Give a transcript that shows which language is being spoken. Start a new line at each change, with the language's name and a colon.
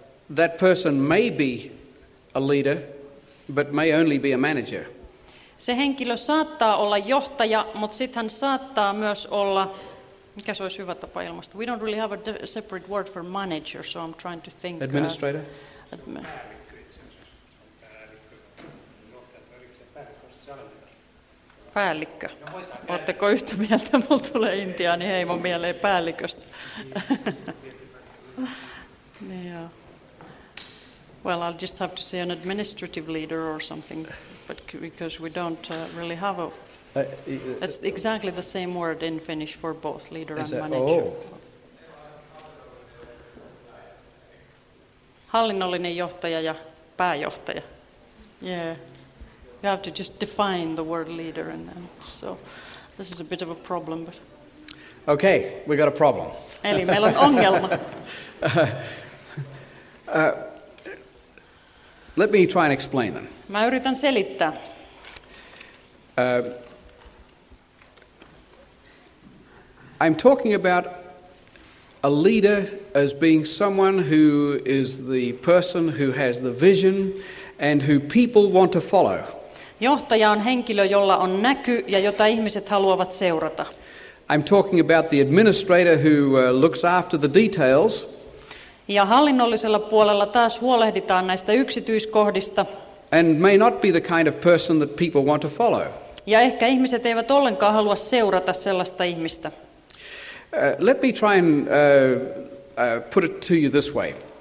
English: That person may be a leader, but may only be a manager.
Finnish: Se henkilö saattaa olla johtaja, mutta sitten hän saattaa myös olla, mikä se olisi hyvä tapa ilmaista?
English: We don't really have a separate word for manager, so I'm trying to think. Administrator?
Finnish: Päällikkö. Oletteko yhtä mieltä? Mulla tulee Intiaan, niin hei, mun mieleen päälliköstä.
English: Niin, well, I'll just have to say an administrative leader or something, but because we don't really have a... It's exactly the same word in Finnish for both leader and manager. Oh.
Finnish: Hallinnollinen johtaja ja pääjohtaja.
English: Yeah. You have to just define the word leader, and then, so this is a bit of a problem. But okay, we got a problem.
Finnish: Eli meillä on ongelma.
English: Let me try and explain them.
Finnish: Mä yritän selittää.
English: I'm talking about a leader as being someone who is the person who has the vision and who people want to follow.
Finnish: Johtaja on henkilö, jolla on näky ja jota ihmiset haluavat seurata.
English: I'm talking about the administrator who looks after the details.
Finnish: Ja hallinnollisella puolella taas huolehditaan näistä yksityiskohdista.
English: And may not be the kind of person that people want to follow.
Finnish: Ja ehkä ihmiset eivät ollenkaan halua seurata sellaista ihmistä.
English: Let me try and put it to you this way.